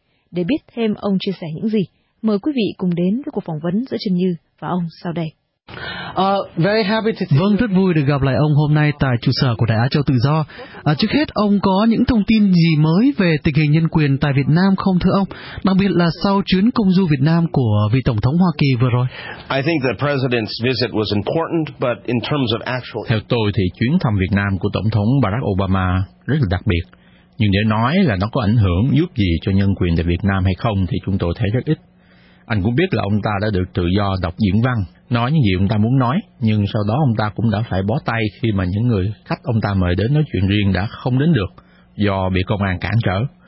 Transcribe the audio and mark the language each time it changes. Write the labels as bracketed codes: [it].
[vi] Để biết thêm ông chia sẻ những gì, mời quý vị cùng đến với cuộc phỏng vấn giữa Trần Như và ông sau đây. Vâng, rất vui được gặp lại ông hôm nay tại trụ sở của Đài Á Châu Tự Do. Trước hết, ông có những thông tin gì mới về tình hình nhân quyền tại Việt Nam không thưa ông? Đặc biệt là sau chuyến công du Việt Nam của vị Tổng thống Hoa Kỳ vừa rồi. [en] I think the President's visit was important, but in terms of actual... [vi] Theo tôi thì chuyến thăm Việt Nam của Tổng thống Barack Obama rất là đặc biệt. Nhưng để nói là nó có ảnh hưởng giúp gì cho nhân quyền tại Việt Nam hay không thì chúng tôi thấy rất ít. Anh cũng biết là ông ta đã được tự do đọc diễn văn, nói những gì ông ta muốn nói, nhưng sau đó ông ta cũng đã phải bó tay khi mà những người khách ông ta mời đến nói chuyện riêng đã không đến được do bị công an cản trở.